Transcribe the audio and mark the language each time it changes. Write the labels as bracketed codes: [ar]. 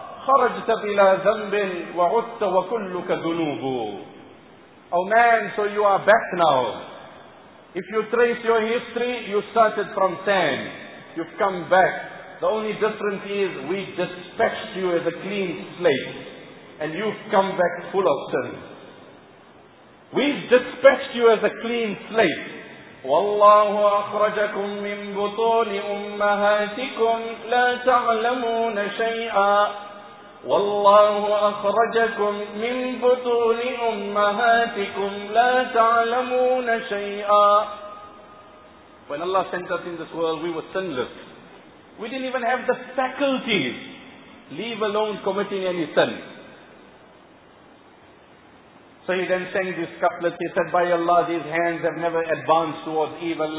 [ar] خرجت بلا ذنب وعدت وكلك ذنوب. [en] Oh man, so you are back now. If you trace your history, you started from sand. You've come back. The only difference is we dispatched you as a clean slate. And you've come back full of sin. We've dispatched you as a clean slate. [ar] والله أخرجكم من بطون أمهاتكم لا تعلمون شيئا والله أخرجكم من بطون أمهاتكم لا تعلمون شيئا. [en] When Allah sent us in this world, we were sinless. We didn't even have the faculties, leave alone committing any sin. So he then sang this couplet. He said, by Allah, these hands have never advanced towards evil.